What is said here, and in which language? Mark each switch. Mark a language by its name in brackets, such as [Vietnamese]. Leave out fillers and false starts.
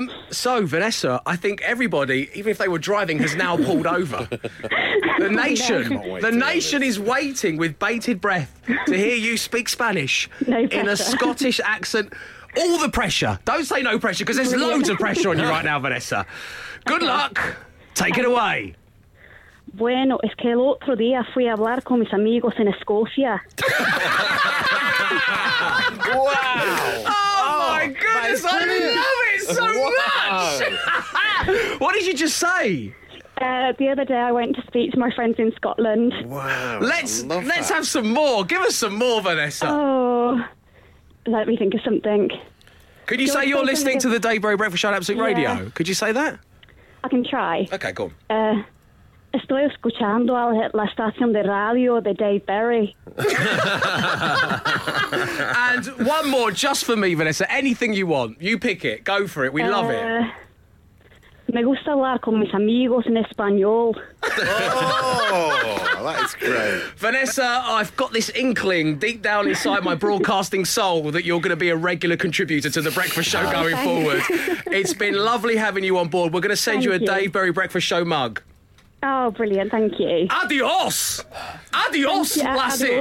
[English] So, Vanessa, I think everybody, even if they were driving, has now pulled over. The nation is waiting with bated breath to hear you speak Spanish in a Scottish accent. All the pressure. Don't say no pressure, because there's loads of pressure on you right now, Vanessa. Good luck. Take it away. [Spanish] Bueno, es que el otro día fui a hablar con mis amigos en Escocia. [English] Wow. Oh, my goodness. I love it so much. What did you just say? The other day I went to speak to my friends in Scotland. Wow. Let's have some more. Give us some more, Vanessa. Oh, let me think of something. Could you say you're listening to the Daybreak Breakfast Show on Absolute Radio? Could you say that? I can try. Okay, go on. [Spanish] Estoy escuchando a la estación de radio de Dave Berry. [English] And one more just for me, Vanessa. Anything you want. You pick it. Go for it. We love it. [Spanish] Me gusta hablar con mis amigos en español. [English] Oh, that is great. Vanessa, I've got this inkling deep down inside my broadcasting soul that you're going to be a regular contributor to The Breakfast Show going forward. It's been lovely having you on board. We're going to send you a Dave Berry Breakfast Show mug. Oh, brilliant. Thank you. Adios. Adios, Lassie.